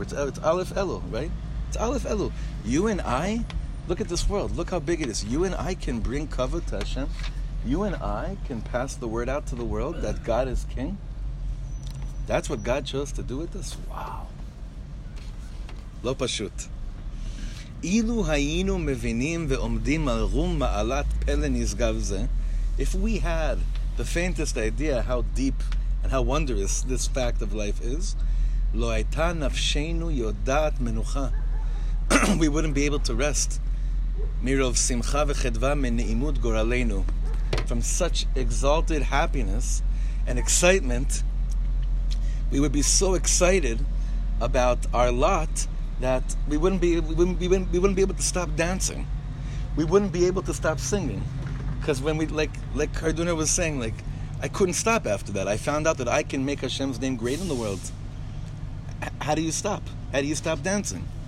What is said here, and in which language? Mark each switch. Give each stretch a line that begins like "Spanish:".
English: It's Aleph Elul, right? It's Aleph Elul. You and I, look at this world. Look how big it is. You and I can bring cover to Hashem. You and I can pass the word out to the world that God is King. That's what God chose to do with us. Wow.
Hebrew: לא פשוט. אילו היינו מבינים ועומדים על רום מעלת פלא נשגב זה,
English: if we had the faintest idea how deep and how wondrous this fact of life is,
Hebrew: לא הייתה נפשנו יודעת מנוחה.
English: We wouldn't be able to rest.
Hebrew: מרוב שמחה וחדווה מנעימות גורלנו.
English: From such exalted happiness and excitement, we would be so excited about our lot that we wouldn't be able to stop dancing. We wouldn't be able to stop singing. Because when we, like Karduner was saying, like, I couldn't stop after that. I found out that I can make Hashem's name great in the world. How do you stop? How do you stop dancing?